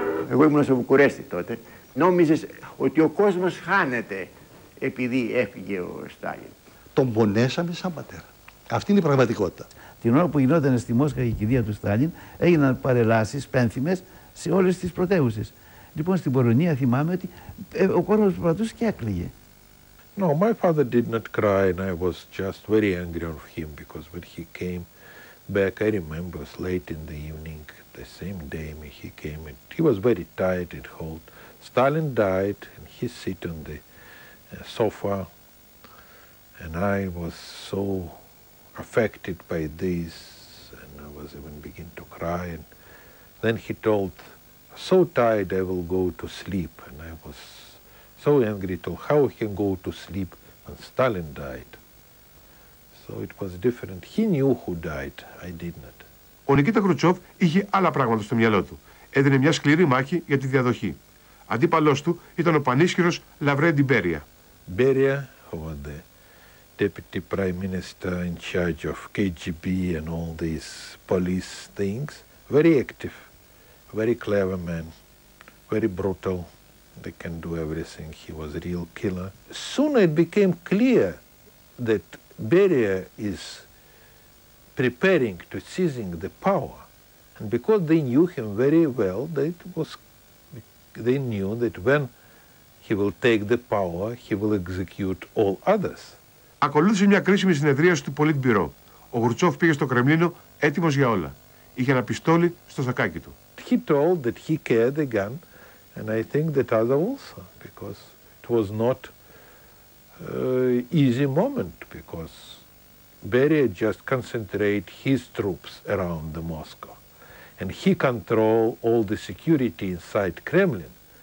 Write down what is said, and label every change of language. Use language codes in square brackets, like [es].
[el] Εγώ ήμουν στο Βουκουρέστι τότε. Νόμιζες ότι ο κόσμος χάνεται επειδή έφυγε ο Στάλιν. Τον πονέσαμε σαν πατέρα. Αυτή είναι η πραγματικότητα. Την ώρα που γινόταν στη Μόσχα η κηδεία του Στάλιν, έγιναν παρελάσεις πένθυμες σε όλες τις πρωτεύουσες. Λοιπόν, στην Πολωνία θυμάμαι ότι ο κόσμος περπατούσε και έκλαιγε. [en] No, my father did not cry and I was just very angry on him because when he came back, I remember it was late in the evening, the same day he came and he was very tired and cold. Stalin died and he sat on the sofa and I was so affected by this and I was even begin to cry. And then he told, so tired I will go to sleep, and I was so angry to how he can go to sleep when Stalin died. So it was different. He knew who died. I did not. [el] Ο Νικίτα Χρουτσόφ είχε άλλα πράγματα στο μυαλό του. Έδινε μια σκληρή μάχη για τη διαδοχή. Αντίπαλός του ήταν ο πανίσχυρος Λαβρέντι Μπέρια. [en] Μπέρια, who was the deputy prime minister in charge of KGB and all these police things. Very active, very clever man, very brutal. They can do everything. He was a real killer. Soon it became clear that Beria is preparing to seizing the power. And because they knew him very well, they knew that when he will take the power, he will execute all others. [el] Ακολούθησε μια κρίσιμη συνεδρίαση του Πολιτμπυρό. Ο Γρουτσόφ πήγε στο Κρεμλίνο έτοιμος για όλα. Είχε ένα πιστόλι στο σακάκι του. [en] He told that he carried the gun. And I think that other also, because it was not easy moment, because Beria just concentrate his troops around the Moscow, and he control all the security inside Kremlin.